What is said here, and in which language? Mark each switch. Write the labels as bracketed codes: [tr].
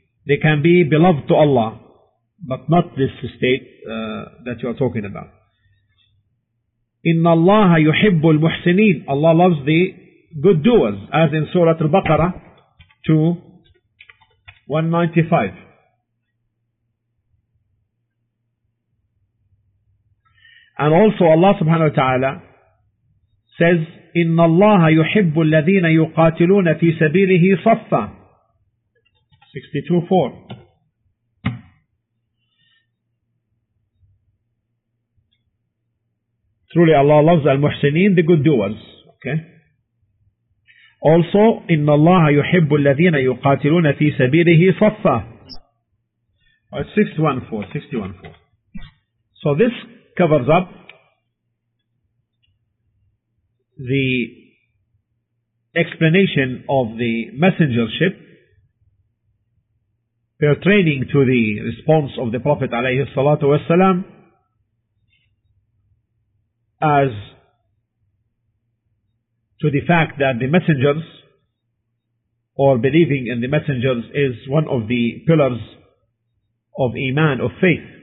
[en] They can be beloved to Allah, but not this state that you are talking about. [ar] إِنَّ اللَّهَ يُحِبُّ الْمُحْسِنِينَ. [en] Allah loves the good doers, as in Surah Al-Baqarah 2:195. And also Allah subhanahu wa ta'ala says, [ar] إِنَّ اللَّهَ يُحِبُّ الَّذِينَ يُقَاتِلُونَ فِي سَبِيلِهِ صَفَّةً 62:4. [en] Truly Allah loves al-muhsineen, the good doers. Okay. Also, [ar] إِنَّ اللَّهَ يُحِبُّ الَّذِينَ يُقَاتِلُونَ فِي سَبِيلِهِ صَفَّةً 61:4. [en] So this covers up the explanation of the messengership pertaining to the response of the Prophet alayhi salatu wasalam as to the fact that the messengers or believing in the messengers is one of the pillars of iman, of faith.